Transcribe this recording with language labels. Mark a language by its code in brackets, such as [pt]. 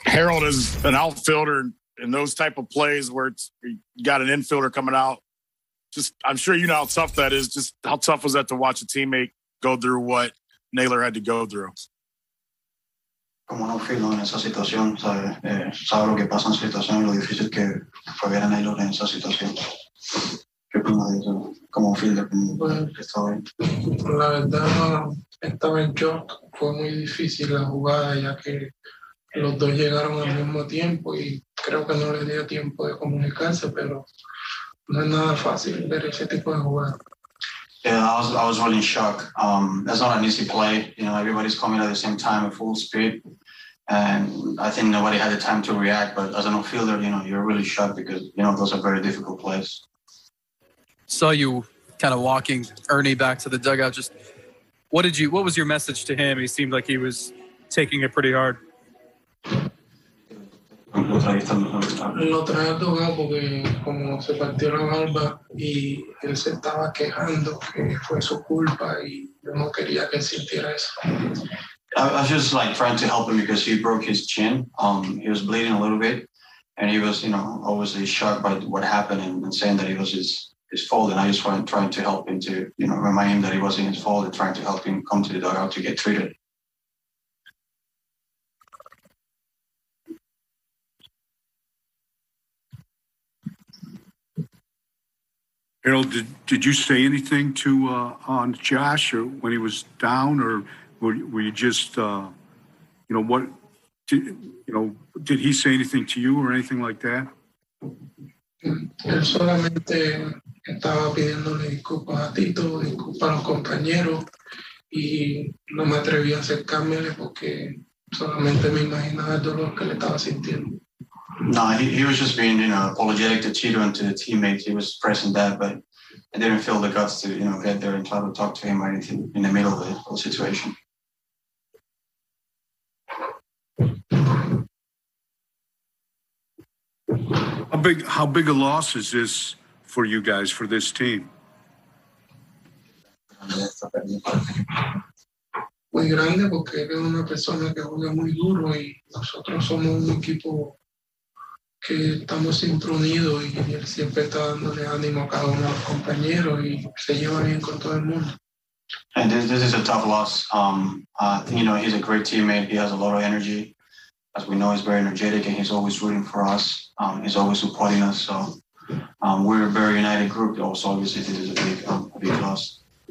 [en] Harold is an outfielder in those type of plays where it's you got an infielder coming out. Just, I'm sure you know how tough that is. Just how tough was that to watch a teammate go through what Naylor had to go through? [es] Como un outfielder en esa situación, sabe lo que pasa en esa situación y lo difícil que fue ver a Naylor en esa situación. ¿Qué opinas de eso? Como outfielder, que estaba ahí. La verdad, estaba en shock. Fue muy difícil la jugada, ya que los dos llegaron al mismo tiempo y creo que no les dio tiempo de comunicarse, pero no es nada fácil ver ese tipo de jugada. [en] Yeah, I was really in shock. That's not an easy play. You know, everybody's coming at the same time at full speed. And I think nobody had the time to react. But as an outfielder, you know, you're really shocked because, you know, those are very difficult plays. Saw you kind of walking Ernie back to the dugout. Just what was your message to him? He seemed like he was taking it pretty hard. [es] Lo traía a tocar porque como se partió la barba y él se estaba quejando que fue su culpa y yo no quería que sintiera eso. [en] I was just like trying to help him because he broke his chin. He was bleeding a little bit and he was, you know, obviously shocked by what happened and saying that it was his fault. And I just wanted trying to help him to, you know, remind him that it wasn't his fault and trying to help him come to the dugout to get treated. Harold, did you say anything to on Josh or when he was down, or were you just, you know, what, did, you know, did he say anything to you or anything like that? [es] Él solamente estaba pidiéndole disculpas a Tito, disculpas a los compañeros, y no me atreví a acercarme porque solamente me imaginaba el dolor que le estaba sintiendo. [en] No, he was just being, you know, apologetic to Tito and to the teammates. He was pressing that, but I didn't feel the guts to, you know, get there and try to talk to him or anything in the middle of the whole situation. How big a loss is this for you guys, for this team? [es] Muy grande porque es una persona que juega muy duro y nosotros somos un equipo que estamos siempre unidos y él siempre está dándole ánimo a cada uno de los compañeros y se lleva bien con todo el mundo. [en] And this is a tough loss. You know, he's a great teammate. He has a lot of energy. As we know, he's very energetic and he's always rooting for us. He's always supporting us. So we're a very united group. Also, obviously, this is a big loss.